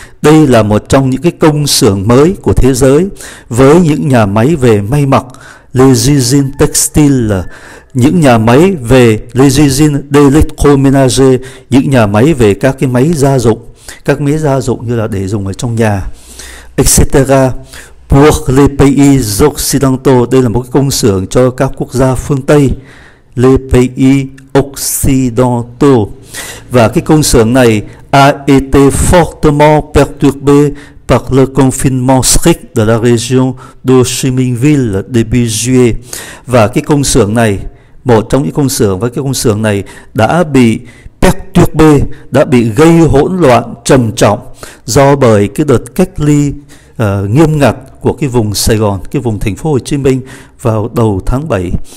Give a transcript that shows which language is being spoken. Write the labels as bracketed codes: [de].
[vi] Đây là một trong những cái công xưởng mới của thế giới, với những nhà máy về may mặc, [fr] L'usine textile, [vi] những nhà máy về [fr] L'usine d'électroménager, [vi] những nhà máy về các cái máy gia dụng, các máy gia dụng như là để dùng ở trong nhà, etc. [fr] Pour les pays occidentaux, [vi] đây là một cái công xưởng cho các quốc gia phương Tây, [fr] les pays occidentaux. [vi] Và cái công xưởng này [fr] a été fortement perturbé par le confinement strict de la région d'Hồ Chí Minh Ville début juillet. [vi] Và cái công xưởng này, một trong những công xưởng, và cái công xưởng này đã bị perturbé, đã bị gây hỗn loạn trầm trọng do bởi cái đợt cách ly nghiêm ngặt của cái vùng Sài Gòn, cái vùng thành phố Hồ Chí Minh vào đầu tháng 7.